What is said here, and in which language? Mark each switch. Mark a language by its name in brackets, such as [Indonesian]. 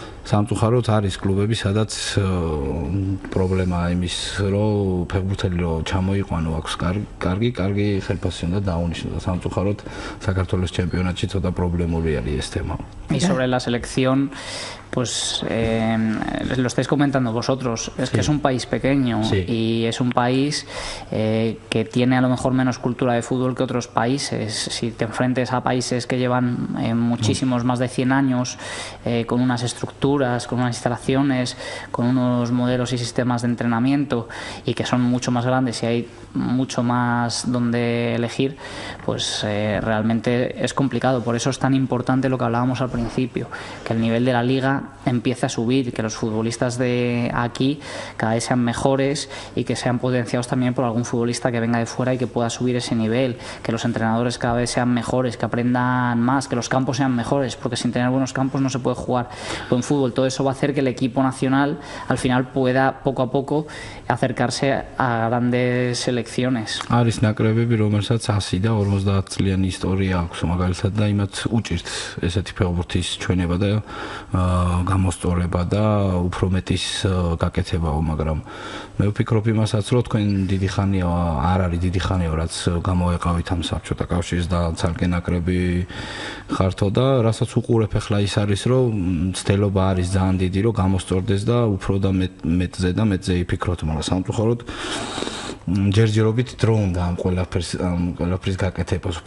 [Georgian] სამწუხაროდ არის კლუბები, სადაც პრობლემაა იმის, რომ ფეხბურთელი რომ ჩამოიყვანო აქვს კარგი ხელფასი უნდა დაუნიშნო და სამწუხაროდ საქართველოს ჩემპიონატში ცოტა პრობლემური არის ეს თემა. [Spanish] Y sobre la selección, pues lo estáis comentando vosotros, es sí. que es un país pequeño sí. y es un país que tiene a lo mejor menos cultura de fútbol que otros países. Si te enfrentes a países que llevan muchísimos, más de 100 años, con unas estructuras, con unas instalaciones, con unos modelos y sistemas de entrenamiento y que son mucho más grandes y hay mucho más donde elegir, pues realmente es complicado. Por eso es tan importante lo que hablábamos al principio, que el nivel de la liga empiece a subir, que los futbolistas de aquí cada vez sean mejores y que sean potenciados también por algún futbolista que venga de fuera y que pueda subir ese nivel, que los entrenadores cada vez sean mejores, que aprendan más, que los campos sean mejores, porque sin tener buenos campos no se puede jugar buen fútbol. Todo eso va a hacer que el equipo nacional al final pueda poco a poco acercarse a grandes selecciones. [Georgian] Არის ნაკრებები, რომელსაც 100 და 50 წლიანი ისტორია აქვს, მაგალითად და იმაც უჭირთ ესეთი ფეხბურთის ჩვენება და გამოსწორება და უფრო მეტის გაკეთებაო, მაგრამ მე ვფიქრობ იმასაც, რომ თქვენ დიდი ხანია არ არის დიდი ხანია, რაც გამოეყავით ამ საბჭოთა კავშირის და ცალკე ნაკრები ხართო და რასაც უყურებ ახლა ის არის, რომ ცდელობა არის ძალიან დიდი, რომ გამოსწორდეს და უფრო და მეტზე და მეტზე იფიქროთ, მაგრამ სამწუხაროდ ჯერჯერობით დრო უნდა ამ ყველაფრის გაკეთებას.